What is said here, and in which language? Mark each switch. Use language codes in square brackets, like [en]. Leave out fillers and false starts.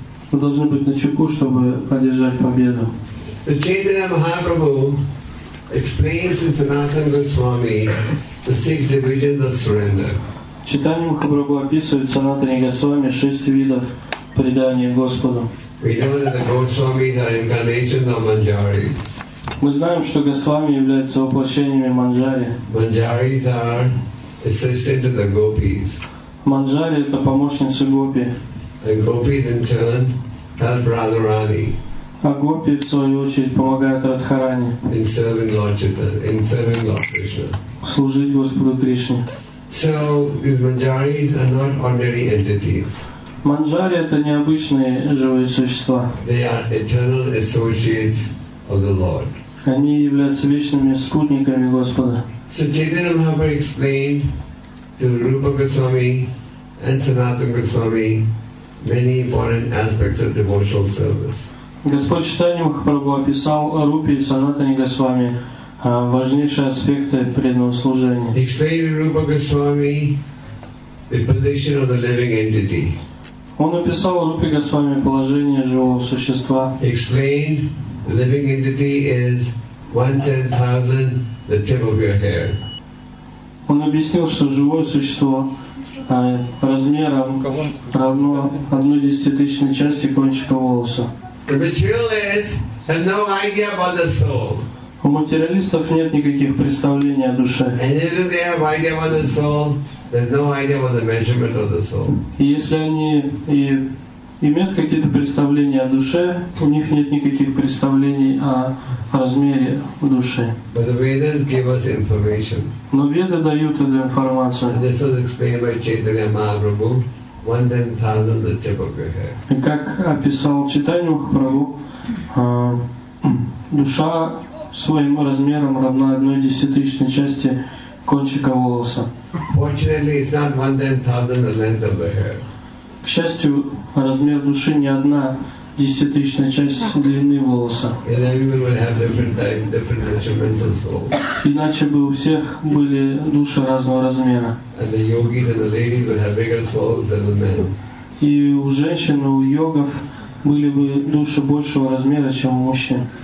[ru] Мы должны быть начеку, чтобы одержать победу. [en] The Chaitanya Mahaprabhu explains in Sanatana Goswami the six divisions of surrender. [ru] Chaitanya Mahaprabhu описывает Sanatana Goswami шесть видов предания Господу. [en] We know that the Goswamis are incarnations of Manjaris. [ru] Мы знаем, что Госвами являются воплощениями Манджари. [en] Manjaris are assistant to the Gopis. [ru] Манджари это помощницы Гопи. [en] The Gopis in turn help Radharani. [ru] А Гопи в свою очередь помогают Радхарани. [en] In serving Lord Chaitanya, in serving Lord Krishna. [ru] Служить Господу Кришне. [en] So these Manjaris are not ordinary entities. [ru] Манджари это необычные живые существа. [en] They are eternal associates of the Lord. [ru] Они являются вечными спутниками Господа. [en] So Chaitanya Mahaprabhu explained to Rupa Goswami and Sanatana Goswami many important aspects of devotional service. [ru] Господь Чайтанья Махапрабху описал Рупе и Санатане Госвами важнейшие аспекты преданного служения. [en] He explained to Rupa Goswami the position of the living entity. [ru] Он описал Рупе Госвами положение живого существа. [en] Explained, the living entity is 1/10,000 the tip of your hair. [ru] Он объяснил, что живое существо размером равно 1/10,000 части кончика волоса. [en] The materialist has no idea about the soul. [ru] У материалистов нет никаких представлений о душе. [en] And if they have idea about the soul, there's no idea about the measurement of the soul. [ru] И если они и имеют какие-то представления о душе, у них нет никаких представлений о размере души. [en] But the Vedas give us information. [ru] Но Веды дают эту информацию. [en] And this was explained by Chaitanya Mahaprabhu, 1/10,000 the tip of your head. [ru] И как описал Чайтанья Махапрабху, душа своим размером равна 1/10,000 части кончика волоса. [en] Fortunately, it's not 1/10,000 the length of the hair. [ru] К счастью, размер души не 1/10,000 часть длины волоса. [en] And everyone would have different measurements of soul. [ru] Иначе бы у всех были души разного размера. [en] And the yogis and the ladies would have bigger souls than the men. [ru] И у женщин, у йогов были бы души большего размера, чем у мужчин.